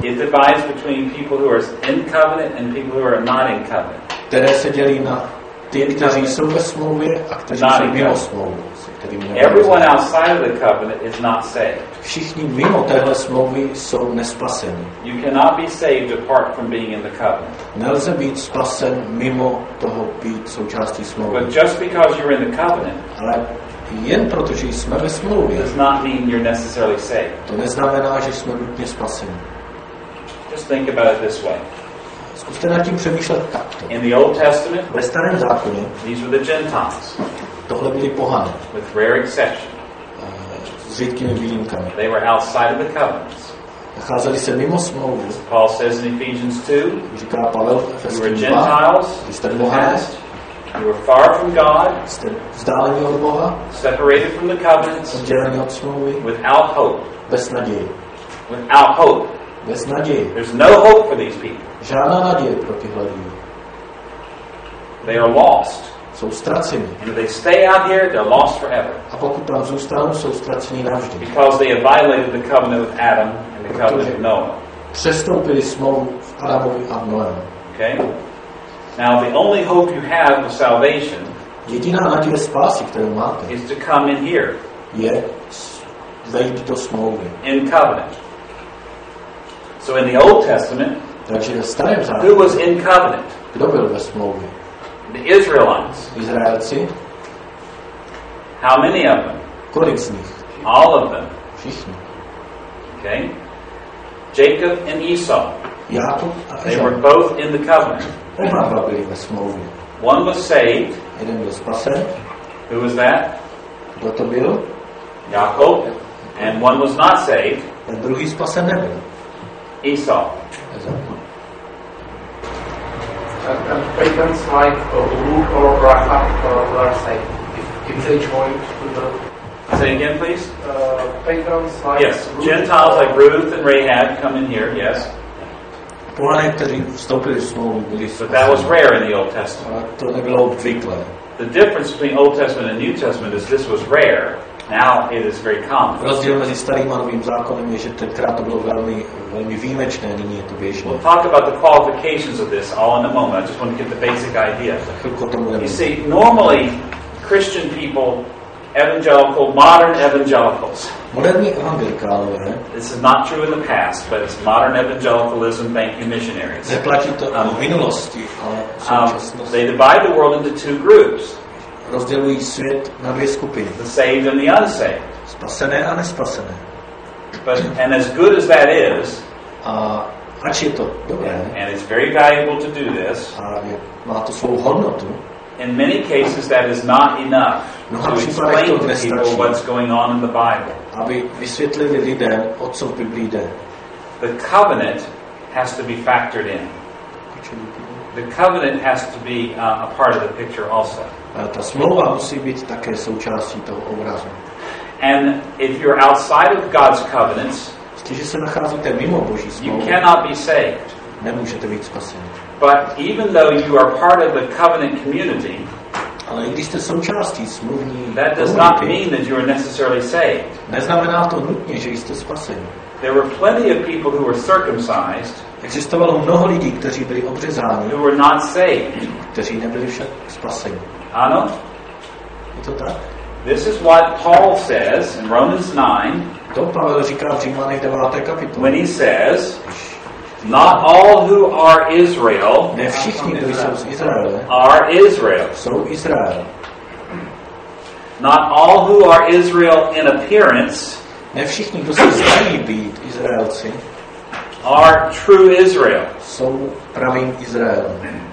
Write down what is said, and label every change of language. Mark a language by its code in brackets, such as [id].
[en] It divides between people who are in covenant and people who are not in covenant. [cs] Které se dělí na ty, kteří jsou ve smlouvě a kteří jsou mimo smlouvu. [en] Everyone outside of the covenant is not saved. [cs] Všichni mimo téhle smlouvy jsou nespaseni. [en] You cannot be saved apart from being in the covenant. [cs] Nelze být spasen mimo toho být součástí smlouvy. [en] But just because you're in the covenant, [cs] ale jen proto, že jsme ve smlouvě, [en] does not mean you're necessarily saved. [cs] To neznamená, že jsme nutně spaseni. [en] Just think about it this way. [cs] Zkuste nad tím přemýšlet takto. [en] In the Old Testament, [cs] ve starém zákoně, [en] these were the Gentiles. [cs] Tohle byli pohané. [en] With rare exception. [cs] S řídkými výjimkami. [en] They were outside of the covenants. [cs] Nacházeli se mimo smlouvu. [en] Paul says in Ephesians 2. [cs] Říká Pavel v Efeským 2. [en] You were far from God. [cs] Jste vzdálení od Boha. [en] Separated from the covenants. [cs] Oddělení od smlouvy. [en] Without hope. [cs] Bez naděje. [en] Without hope. [cs] Bez naděje. [en] There's no hope for these people. [cs] Žádná naděje pro tyhle lidi. [en] They are lost. [cs] Jsou ztraceni. [en] And if they stay out here, they're lost forever. [cs] A pokud tam zůstanou, jsou ztraceni navždy. [en] Because they have violated the covenant with Adam and the covenant with Noah. [cs] Přestoupili smlouvu v Adamovi a v Noemi. [en] Okay. Now the only hope you have for salvation, [cs] jediná naděje spásy, kterou máte, [en] is to come in here. [cs] Je vejít do smlouvy. [en] In covenant. So in the Old Testament, [cs] takže ve starém zákoně, [en] who was in covenant? [cs] Kdo byl ve smlouvě? [en] The Israelites. [cs] Izraelci. [en] How many of them? [cs] Kolik z nich? [en] All of them. [cs] Všichni. [en] Okay. Jacob and Esau. [cs] Jakub a [en] Esau. They were both in the covenant. [cs] Oba byli ve smlouvě. [en] One was saved. [cs] Jeden byl spasen. [en] Who was that? [cs] Kdo to byl? [en] Jakub. And one was not saved. [cs] Ten druhý spasen nebyl. [en] Esau. [cs] Esau. [en] And parents like Ruth or Rahab were saved. If they joined to the... Say again, please. Parents like... Yes, Ruth Gentiles like Ruth and Rahab come in here, yes. [cs] Pohané, kteří vstoupili v smlouvu, byli spasení. [en] But that was rare in the Old Testament. [cs] To nebylo obvyklé. [en] The difference between Old Testament and New Testament is this was rare. Now it is very common. [cs] Rozdíl mezi starým a novým zákonem je, že tenkrát to bylo velmi výjimečné, nyní je to běžné. [en] We'll talk about the qualifications of this all in a moment. I just want to get the basic idea. You see, normally Christian people, evangelical, modern evangelicals. [cs] Moderní evangelikálové. [en] This is not true in the past, but it's modern evangelicalism, thank you missionaries. [cs] Neplatí to o minulosti, ale současnosti. [en] They divide the world into two groups. [cs] Rozdělují svět na dvě skupiny. [en] The saved and the unsaved. [cs] Spasené a nespasené. [en] But, and as good as that is, [cs] a ač je to dobré, [en] and it's very valuable to do this, [cs] a je, má to svou hodnotu, [en] in many cases that is not enough [cs] no, [en] to explain to people what's going on in the Bible. [cs] Aby vysvětlili lidem, o co v Biblii jde. [en] The covenant has to be factored in. The covenant has to be a part of the picture also. [cs] Ta smlouva musí být také součástí toho obrazu. [en] And if you're outside of God's covenants, [cs] jestliže se nacházíte mimo Boží smlouvu, [en] you cannot be saved. [cs] Nemůžete být spaseni. [en] But even though you are part of the covenant community, [cs] ale i když jste součástí smluvní komunity, [en] that does not mean that you are necessarily saved. [cs] Neznamená to nutně, že jste spaseni. [en] There were plenty of people who were circumcised. [cs] Existovalo mnoho lidí, kteří byli obřezáni. [en] Who were not saved. [cs] Kteří nebyli však spaseni. Ano. Je to tak? [en] This is what Paul says in Romans 9. [cs] To Pavel říká v Římanech 9. kapitole. [en] When he says, not all who are Israel, [cs] ne všichni, kdo jsou z Izraele, [en] are Israel. [cs] Jsou Izrael. [en] Not all who are Israel in appearance, [cs] ne všichni, kdo se zdají být Izraelci, [en] are true Israel. [cs] Jsou pravým Izraelem.